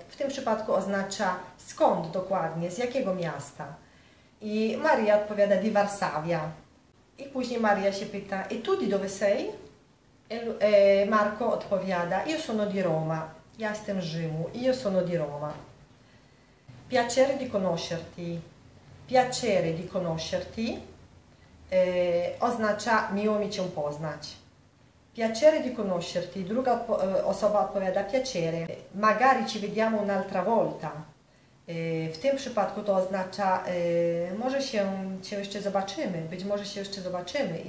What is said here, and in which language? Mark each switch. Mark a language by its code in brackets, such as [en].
[pl] W tym przypadku oznacza skąd dokładnie, z jakiego miasta. I Maria odpowiada [it] di Varsavia. [pl] I później Maria się pyta: [it] E tu di dove sei? E Marco [pl] odpowiada: [it] Io sono di Roma. [pl] Ja jestem Rzymu. [it] Io sono di Roma. Piacere di conoscerti. Piacere di conoscerti [pl] oznacza miło mi cię poznać. [it] Piacere di conoscerti, [pl] druga osoba odpowiada [it] piacere, magari ci vediamo un'altra volta. [pl] W tym przypadku to oznacza, może się cię jeszcze zobaczymy, być może się jeszcze zobaczymy.